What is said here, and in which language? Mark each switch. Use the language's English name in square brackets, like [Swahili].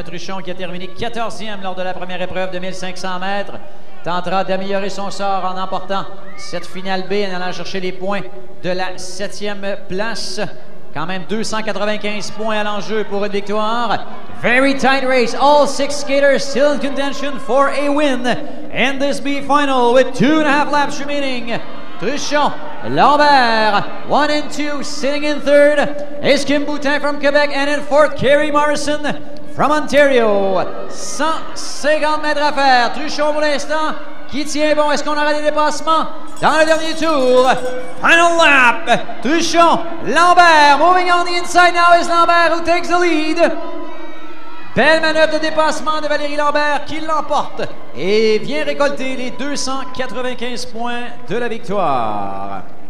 [French] Truchon qui a terminé 14e lors de la première épreuve de 1500 mètres. Tentera d'améliorer son sort en emportant cette finale B en allant chercher les points de la 7e place. Quand même 295 points à l'enjeu pour une victoire. [English] Very tight race. All 6 skaters still in contention for a win in this B final with 2.5 laps remaining. Truchon, Lambert, 1 and 2, sitting in third is Kim Boutin from Quebec, and in fourth, Kerry Morrison from Ontario. [French] 150 mètres à faire. Truchon pour l'instant, qui tient bon? Est-ce qu'on aura des dépassements dans le dernier tour? [English] Final lap. Truchon, Lambert, moving on the inside now is Lambert who takes the lead. [French] Belle manœuvre de dépassement de Valérie Lambert qui l'emporte et vient récolter les 295 points de la victoire.